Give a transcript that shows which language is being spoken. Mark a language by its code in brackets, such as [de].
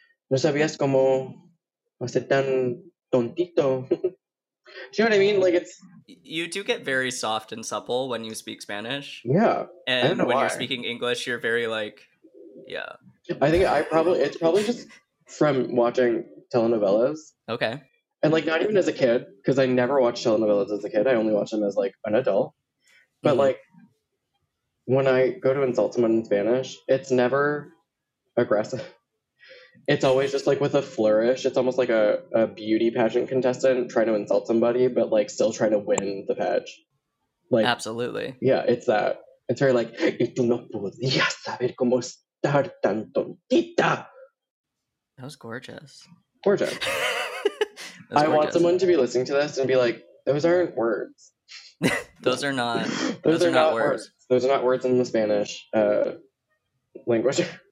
[es] No sabías cómo hacer tan tontito. [en] Do you know what I mean? Like, it's... You do get very soft and supple when you speak Spanish. Yeah. And when you're speaking English, you're very, like, yeah. I think it's probably just from watching telenovelas. Okay. And, like, not even as a kid, because I never watched telenovelas as a kid. I only watched them as, like, an adult. But, like, when I go to insult someone in Spanish, it's never aggressive. It's always just, like, with a flourish. It's almost like a beauty pageant contestant trying to insult somebody, but, like, still trying to win the page. Like, absolutely. Yeah, it's that. It's very, like, [es] y tú no podías saber cómo estar tan tontita. [en] That was gorgeous. Gorgeous. I want someone to be listening to this and be like, those aren't words. those are not words. Those are not words in the Spanish language.